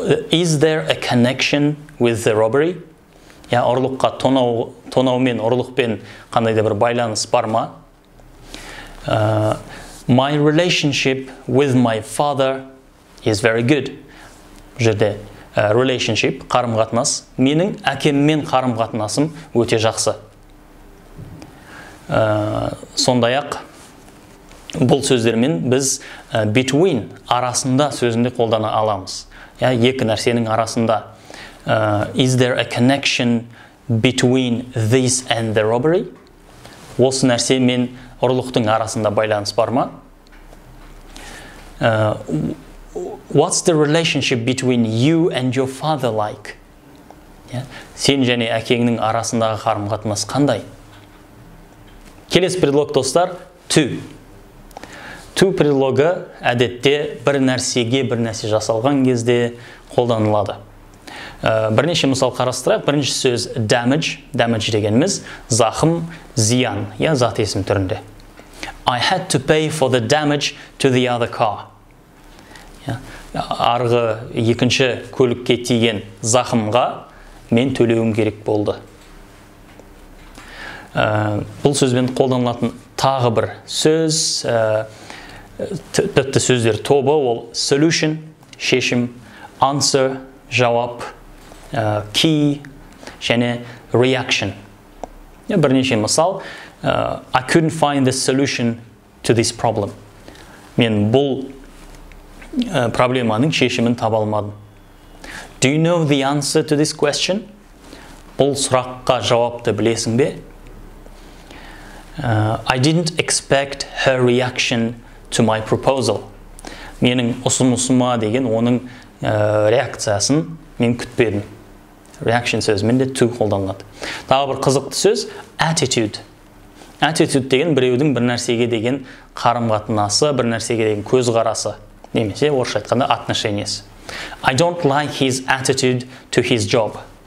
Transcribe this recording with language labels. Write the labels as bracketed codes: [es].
[en] Is there a connection with the robbery? [kk] Ұрлыққа тонаумен, ұрлықпен қандай да бір байланыс бар ма? [en] My relationship with my father is very good. [kk] Жерде relationship, қарым-қатынас. Менің әкеммен қарым-қатынасым өте жақсы. Сондай-ақ, бұл сөздермен біз between, арасында сөзінде қолдана аламыз. Екі нәрсенің арасында. [en] Is there a connection between this and the robbery? [kk] Осы нәрсе мен ұрлықтың арасында байланыс бар ма? [en] What's the relationship between you and your father like? [kk] Сен және әкеңнің арасындағы қарым-қатынас қандай? Келесі предлог достар, to. To предлогы әдетте бір нәрсеге бір нәрсе жасалған кезде қолданылады. Бірнеше мысал қарастырайық. Бірінші сөз damage. Damage дегеніміз зақым, зиян, зат есім түрінде. [en] I had to pay for the damage to the other car. [kk] Арғы екінші көлікке тиген зақымға мен төлеуім керек болды. Бұл сөзбен қолданылатын тағы бір сөз, тіпті сөздер тобы ол solution, шешім, answer, жауап, key, және reaction. Бірнеше мысал, [en] I couldn't find the solution to this problem. [kk] Мен бұл проблеманың шешімін таба алмадым. [en] Do you know the answer to this question? [kk] Бұл сұраққа жауапты білесің бе? [en] I didn't expect her reaction to my proposal. [kk] менің ұсынысыма деген оның реакциясын мен күтпедім. Reaction сөз менде to қолданылады. Тағы бір қызықты сөз attitude. Attitude деген біреудің бір нәрсеге деген қарым-қатынасы, бір нәрсеге деген көзқарасы, немесе орысша айтқанда отношениесі. [en] I don't like his attitude to his job.